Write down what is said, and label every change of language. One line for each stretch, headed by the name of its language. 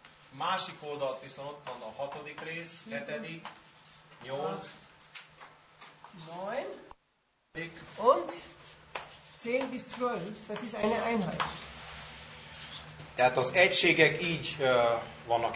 Hungarian: Másik oldalt viszont ott van a hatodik rész, hetedik, nyolc,
German: neun, und 10 bis 12, das ist eine Einheit.
Hungarian: Tehát az egységek így vannak